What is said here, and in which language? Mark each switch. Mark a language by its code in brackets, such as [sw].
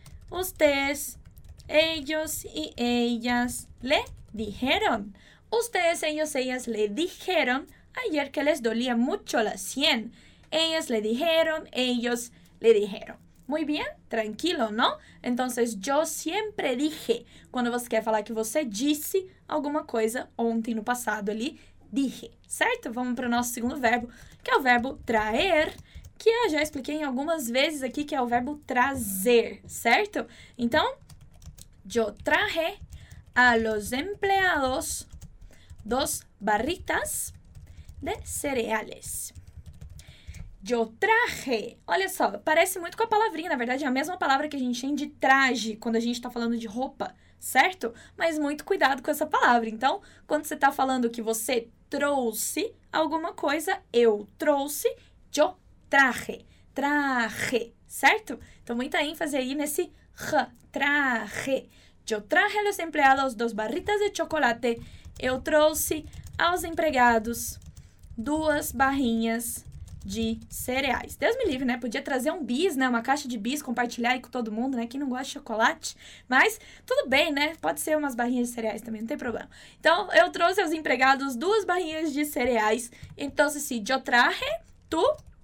[es] Ustedes, ellos y ellas le dijeron. Ustedes, ellos, ellas le dijeron ayer que les dolía mucho la sien. Ellas le dijeron, ellos le dijeron. Muy bien, tranquilo, ¿no? Entonces, yo siempre dije. [pt] Cuando você quer falar que você disse alguma coisa ontem no passado ali, dije, certo? Vamos para o nosso segundo verbo, que é o verbo traer, que eu já expliquei algumas vezes aqui, que é o verbo trazer, certo? [es] Então, yo traje a los empleados 2 barritas de cereales. Yo traje. [pt] Olha só, parece muito com a palavrinha. Na verdade, é a mesma palavra que a gente tem de traje quando a gente está falando de roupa, certo? Mas muito cuidado com essa palavra. Então, quando você está falando que você trouxe alguma coisa, eu trouxe, [es] yo traje. [pt] Traje, certo? Então, muita ênfase aí nesse r, traje. [es] Yo traje a los empleados 2 barritas de chocolate. [pt] Eu trouxe aos empregados 2 barrinhas de cereais. Deus me livre, né? Podia trazer um bis, né? Uma caixa de bis, compartilhar aí com todo mundo, né? Quem não gosta de chocolate? Mas tudo bem, né? Pode ser umas barrinhas de cereais também, não tem problema. Então, eu trouxe aos empregados 2 barrinhas de cereais. Então, se [es] yo traje, tu